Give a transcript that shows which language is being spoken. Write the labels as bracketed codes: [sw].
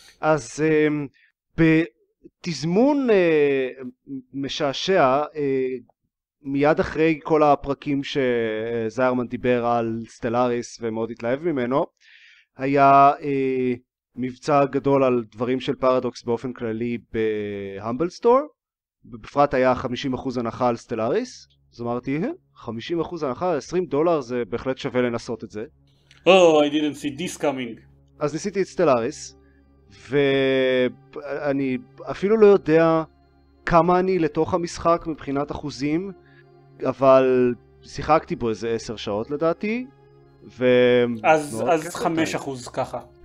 [he] אז בתזמון משעשע, מיד אחרי כל הפרקים שזיירמן דיבר על סטלאריס ומאוד התלהב ממנו, היה מבצע גדול על דברים של פרדוקס באופן כללי בהמבל סטור, ובפרט היה 50% הנחה על סטלאריס, אז אמרתי, 50% הנחה, $20 זה בהחלט שווה לנסות את זה. [en] Oh, I didn't see this coming. [he] אז ניסיתי את סטלאריס, ואני אפילו לא יודע כמה אני לתוך המשחק מבחינת אחוזים, אבל שיחקתי בו איזה 10 שעות לדעתי, ו אז 5% ככה.